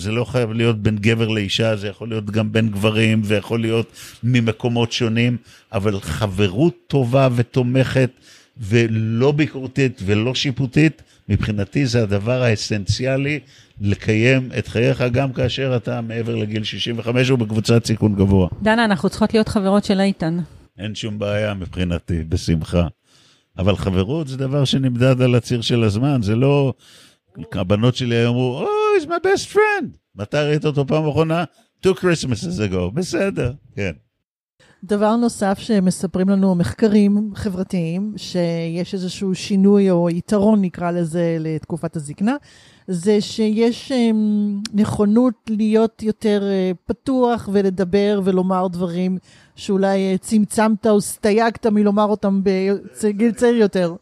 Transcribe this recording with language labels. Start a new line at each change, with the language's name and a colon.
Hebrew: זה לא חייב להיות בין גבר לאישה, זה יכול להיות גם בין גברים ויכול להיות ממקומות שונים, אבל חברות טובה ותומכת ולא ביקורתית ולא שיפוטית, מבחינתי זה הדבר האסנציאלי לקיים את חייך גם כאשר אתה מעבר לגיל 65 ובקבוצת סיכון גבוה. דנה, אנחנו צריכות להיות חברות של איתן. אין שום בעיה מבחינתי, בשמחה. אבל חברות זה דבר שנמדד על הציר של הזמן, זה לא... הבנות שלי אמרו,
English: oh, he's my best friend.
Hebrew: מתי ראית אותו פעם אחרונה?
English: Two Christmases ago.
Hebrew: בסדר, כן. דבר נוסף שמספרים לנו מחקרים חברתיים, שיש איזשהו שינוי או יתרון נקרא לזה לתקופת הזקנה, זה שיש נכונות להיות יותר פתוח ולדבר ולומר דברים שאולי צמצמת או סטייקת מלומר אותם בגיל צעיר יותר.